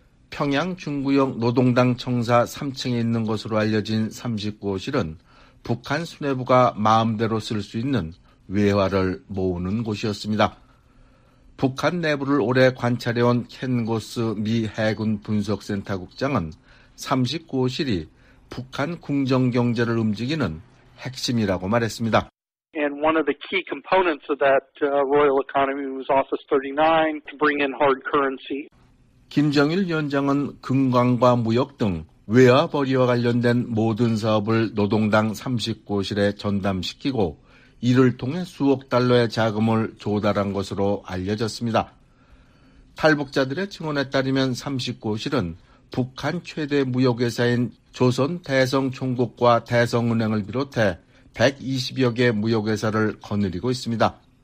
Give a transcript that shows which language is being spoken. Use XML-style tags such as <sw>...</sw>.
<ko>평양 중구역 노동당 청사 3층에 있는 것으로 알려진 39호실은 북한 수뇌부가 마음대로 쓸 수 있는 외화를 모으는 곳이었습니다. 북한 내부를 오래 관찰해온 켄고스 미 해군 분석센터 국장은 39호실이 북한 궁정경제를 움직이는 핵심이라고 말했습니다.</ko> <en>And one of the key components of that royal economy was Office 39 to bring in hard currency.</en> <ko>김정일 위원장은 금관과 무역 등 외화 벌이와 관련된 모든 사업을 노동당 39호실에 전담시키고 이를 통해 수억 달러의 자금을 조달한 것으로 알려졌습니다. 탈북자들의 증언에 따르면 39호실은 북한 최대 무역회사인 조선대성총국과 대성은행을 비롯해 120여 개 무역회사를 거느리고 있습니다.</ko>